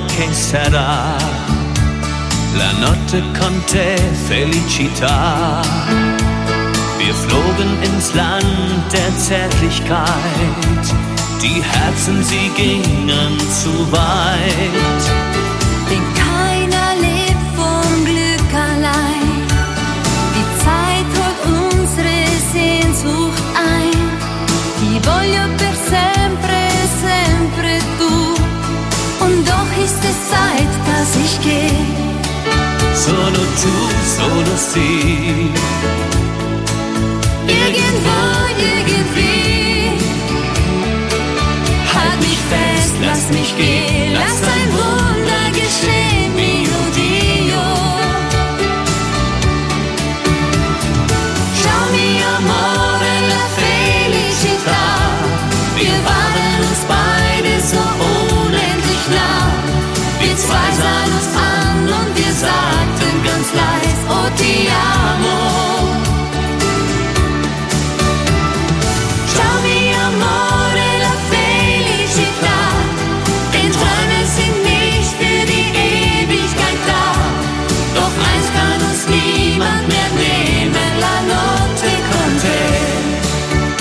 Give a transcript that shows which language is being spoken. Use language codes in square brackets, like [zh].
[it] Sarà la notte con te, felicità. [de] Wir flogen ins Land der Zärtlichkeit, die Herzen, sie gingen zu weit. Denn keiner lebt vom Glück allein, die Zeit holt unsere Sehnsucht ein. [it] Ti voglio per sempre, sempre tu. [de] Ist es Zeit, dass ich geh? [it] Solo tu, solo si. [de] Irgendwo, irgendwie. Halt mich fest, lass mich gehen. Lass ein Wunder geschehen, [it] mio Dio. Ciao mio amore, la felicità. [de] Wir waren uns beide so unendlich nah. Zwei sahen uns an und wir sagten ganz leise, [it] oh, ti amo. Ciao, mio amore, la felicità. [de] Denn Träume sind nicht für die Ewigkeit da. Doch eins kann uns niemand mehr nehmen, [it] la notte con te.